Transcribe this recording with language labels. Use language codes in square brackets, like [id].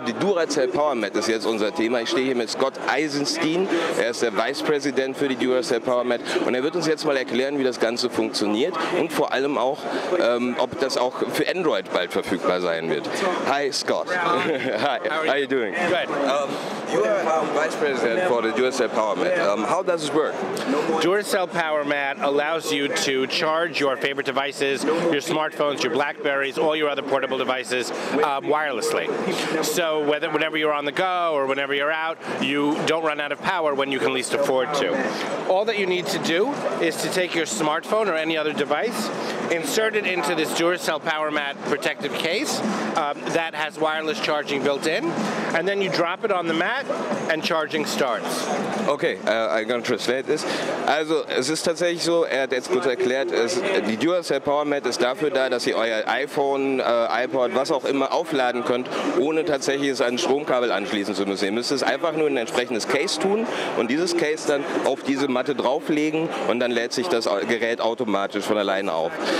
[de] Die Duracell PowerMat ist jetzt unser Thema. Ich stehe hier mit Scott Eisenstein, er ist der Vice President für die Duracell PowerMat und er wird uns jetzt mal erklären, wie das Ganze funktioniert und vor allem auch, ob das auch für Android bald verfügbar sein wird. [en] Hi Scott. Hi, how are you doing? Good. You are Vice President for the Duracell PowerMat. How does it work? Duracell PowerMat allows you to charge your favorite devices, your smartphones, your Blackberries, all your other portable devices wirelessly. So whenever you're on the go or whenever you're out, you don't run out of power when you can least afford to. All that you need to do is to take your smartphone or any other device, insert it into this Duracell PowerMat protective case that has wireless charging built in, and then you drop it on the mat and charging starts. Okay, I'm going to translate this. [de] Also, es ist tatsächlich so, er hat jetzt gut erklärt, die Duracell PowerMat ist dafür da, dass ihr euer iPhone, iPod, was auch immer aufladen könnt, ohne tatsächlich es an ein Stromkabel anschließen zu müssen. Ihr müsst es einfach nur in ein entsprechendes Case tun und dieses Case dann auf diese Matte drauflegen und dann lädt sich das Gerät automatisch von alleine auf.